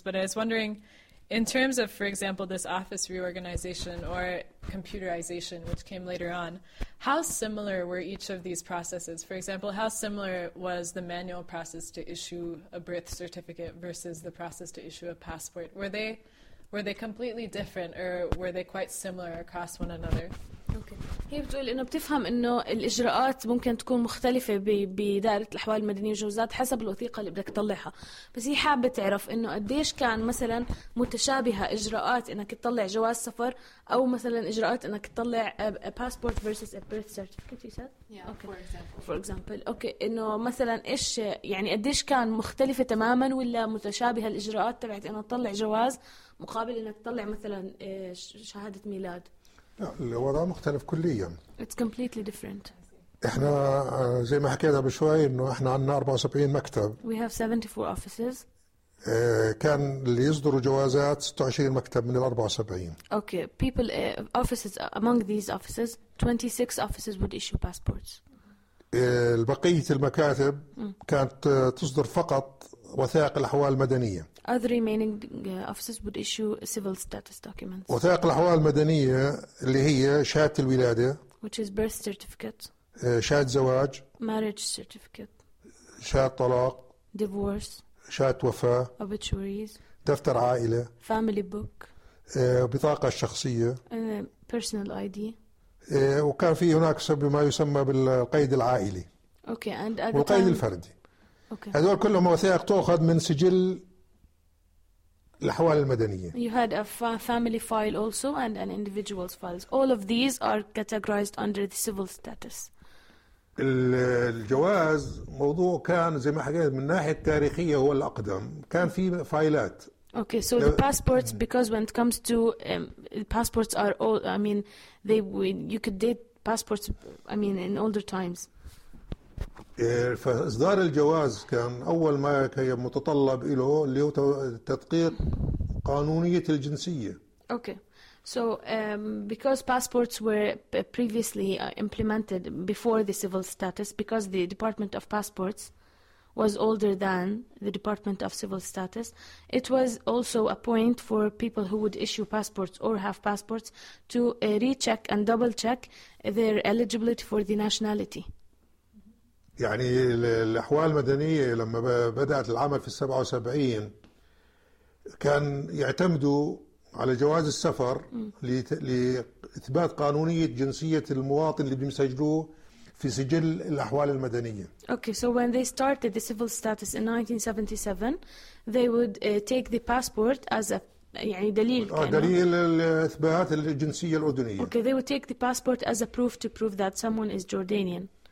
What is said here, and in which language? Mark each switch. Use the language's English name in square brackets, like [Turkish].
[English] But I was wondering, in terms of, for example, this office reorganization or computerization, which came later on, how similar were each of these processes? For example, how similar was the manual process to issue a birth certificate versus the process to issue a passport? Were they completely different, or were they quite similar across one another? [Arabic] هي بتقول إنه بتفهم إنه الإجراءات ممكن تكون مختلفة بدائرة الأحوال المدنية والجوازات حسب الوثيقة اللي بدك تطلعها، بس هي حابة تعرف إنه قديش كان مثلاً متشابهة إجراءات إنك تطلع جواز سفر أو مثلاً إجراءات إنك تطلع [English] a passport versus a birth certificate. You said? Yeah, okay. For example. For example. Okay. [Arabic] إنه مثلاً إيش يعني قديش كان مختلفة تماماً ولا متشابهة الإجراءات تبعت إنه تطلع جواز مقابل إنك تطلع مثلاً شهادة ميلاد؟ الوضع مختلف كليا. [English] It's completely different. [Arabic] احنا زي ما حكيتها بشوي انه احنا عندنا 74 مكتب. [English] We have 74 offices. [Arabic] كان اللي يصدروا جوازات 26 مكتب من ال 74. [English] Okay, people offices among these offices 26 offices would issue passports. [Arabic] البقية المكاتب كانت تصدر فقط وثائق الأحوال المدنية. [English] Other remaining offices would issue civil status documents. [Arabic] وثائق الأحوال المدنية اللي هي شهادة الولادة. [English] Which is birth certificate. [Arabic] شهادة زواج. [English] Marriage certificate. [Arabic] شهادة طلاق. [English] Divorce. [Arabic] شهادة وفاة. [English] Obituaries. [Arabic] دفتر عائلة. [English] Family book. [Arabic] بطاقة شخصية. [English] Personal ID. [Arabic] وكان في هناك ما يسمى بالقيد العائلي. [English] Okay, and at [Arabic] والقيد [English] time... [Arabic] الفردي. Okay. هذول كلهم وثائق تأخذ من سجل الأحوال المدنية. [English] You had a family file also and an individual's files. All of these are categorized under the civil status. [Arabic] الجواز موضوع كان زي ما حكيت من ناحية تاريخية هو الأقدم. كان في فايلات. [English] Okay, so the passports, because when it comes to the passports are all, I mean, they you could date passports, I mean, in older times. [Arabic] فإصدار الجواز كان أول ما كان متطلب إله اللي هو تدقيق قانونية الجنسية. [English] Okay, so because passports were previously implemented before the civil status, because the Department of Passports was older than the Department of Civil Status, it was also a point for people who would issue passports or have passports to recheck and double check their eligibility for the nationality. [Arabic] يعني الأحوال المدنية لما بدأت العمل في 77 كان يعتمدوا على جواز السفر لإثبات قانونية جنسية المواطن اللي بيمسجلوه في سجل الأحوال المدنية. [English] Okay, so when they started the civil status in 1977, they would take the passport as a [Arabic] يعني دليل. دليل الإثبات الجنسية الأردنية. [English] Okay, they would take the passport as a proof to prove that someone is Jordanian.